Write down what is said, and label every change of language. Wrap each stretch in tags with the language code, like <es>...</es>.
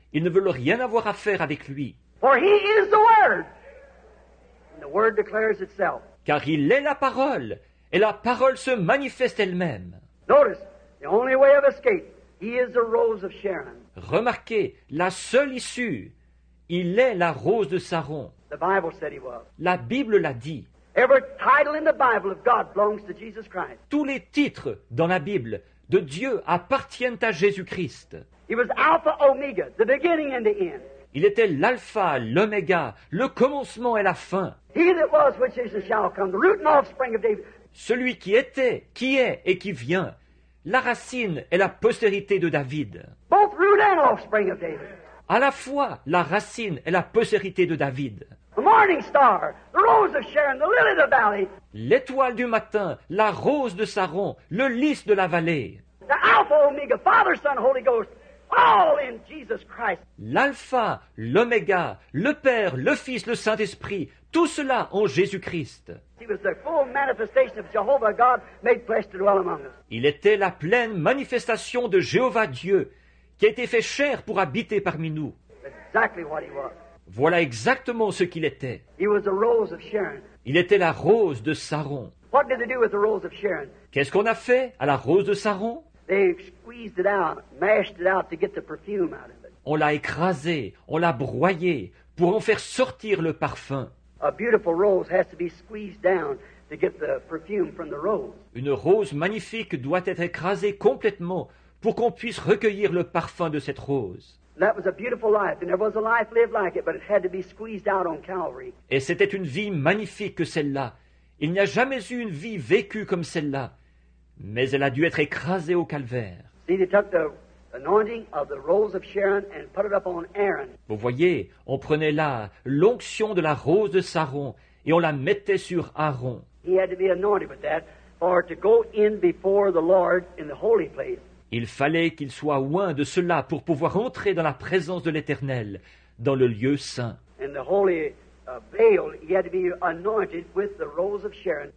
<fr>Ils ne veulent rien avoir à faire avec lui.</fr> <en>For he is the Word. And the Word declares itself.</en> <fr>Car il est la parole, et la parole se manifeste elle-même.</fr> <en>Notice, the only way of escape, he is the rose of Sharon.</en> <fr>Remarquez, la seule issue, il est la rose de Saron.</fr> <en>The Bible said he was.</en> <fr>La Bible l'a dit.</fr> <en>Every title in the Bible of God belongs to Jesus Christ.</en> <fr>Tous les titres dans la Bible de Dieu appartiennent à Jésus-Christ.</fr> <en>He was Alpha Omega, the beginning and the end.</en> <fr>Il était l'alpha, l'oméga, le commencement et la fin.</fr> <en>He that was, which is, and shall come, the root and offspring of David.</en> <fr>Celui qui était, qui est et qui vient, la racine et la postérité de David.</fr> <en>Both root and offspring of David.</en> <fr>À la fois la racine et la postérité de David.</fr> <en>The morning star, the rose of Sharon, the lily of the valley.</en> <fr>L'étoile du matin, la rose de Saron, le lys de la vallée.</fr> <en>The Alpha Omega, Father, Son, Holy Ghost. All in Jesus Christ.</en> <fr>L'alpha, l'oméga, le Père, le Fils, le Saint-Esprit, tout cela en Jésus-Christ.</fr> <en>He was the full manifestation of Jehovah God made flesh to dwell among us.</en> <fr>Il était la pleine manifestation de Jéhovah Dieu qui a été fait chair pour habiter parmi nous.</fr> <en>Exactly what he was.</en> <fr>Voilà exactement ce qu'il était.</fr> <en>He was the rose of Sharon.</en> <fr>Il était la rose de Saron.</fr> <en>What did they do with the rose of Sharon?</en> <fr>Qu'est-ce qu'on a fait à la rose de Saron?</fr> <en>They squeezed it out, mashed it out to get the perfume out of it.</en> <fr>On l'a écrasé, on l'a broyé pour en faire sortir le parfum.</fr> <en>A beautiful rose has to be squeezed down to get the perfume from the rose.</en> <fr>Une rose magnifique doit être écrasée complètement pour qu'on puisse recueillir le parfum de cette rose.</fr> <en>That was a beautiful life, and there was a life lived like it, but it had to be squeezed out on Calvary.</en> <fr>Et c'était une vie magnifique que celle-là. Il n'y a jamais eu une vie vécue comme celle-là. Mais elle a dû être écrasée au calvaire.</fr> <en>See, they took the anointing of the rose of Sharon and put it up on Aaron.</en> <fr>Vous voyez, on prenait là l'onction de la rose de Saron et on la mettait sur Aaron.</fr> <en>He had to be anointed with that for to go in before the Lord in the holy place.</en> <fr>Il fallait qu'il soit oint de cela pour pouvoir entrer dans la présence de l'Éternel, dans le lieu saint.</fr> <en>In the holy veil, he had to be anointed with the rose of Sharon.</en>